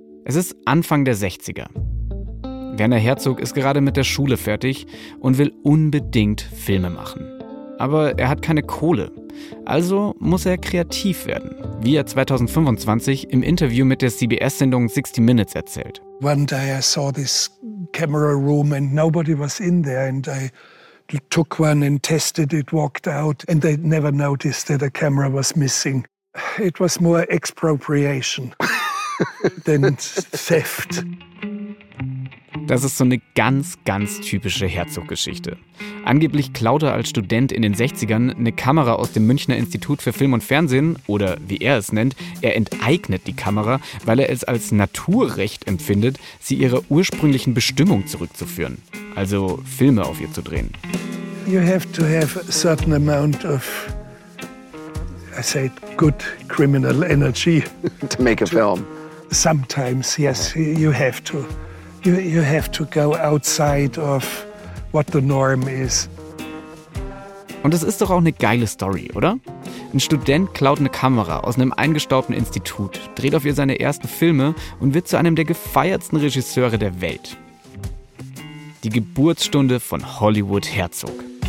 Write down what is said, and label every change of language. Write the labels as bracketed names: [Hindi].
[German] Es ist Anfang der 60er. Werner Herzog ist gerade mit der Schule fertig und will unbedingt Filme machen. Aber er hat keine Kohle, also muss er kreativ werden, wie er 2025 im Interview mit der CBS-Sendung 60 Minutes erzählt. [English] One day I saw this camera room and nobody was in there and I took one and tested it, walked out and they never noticed that a camera was missing. It was more expropriation than theft. [German] Das ist so eine ganz, ganz typische Herzog-Geschichte. Angeblich klaut er als Student in den 60ern eine Kamera aus dem Münchner Institut für Film und Fernsehen oder wie er es nennt, er enteignet die Kamera, weil er es als Naturrecht empfindet, sie ihrer ursprünglichen Bestimmung zurückzuführen, also Filme auf ihr zu drehen. [English] You have to have a certain amount of, I say, good criminal energy. To make a film. Sometimes, yes, you have to. You have to go outside of what the norm is. [German] Und es ist doch auch eine geile Story, oder? Ein Student klaut eine Kamera aus einem eingestaubten Institut, dreht auf ihr seine ersten Filme und wird zu einem der gefeiertsten Regisseure der Welt. Die Geburtsstunde von Hollywood Herzog.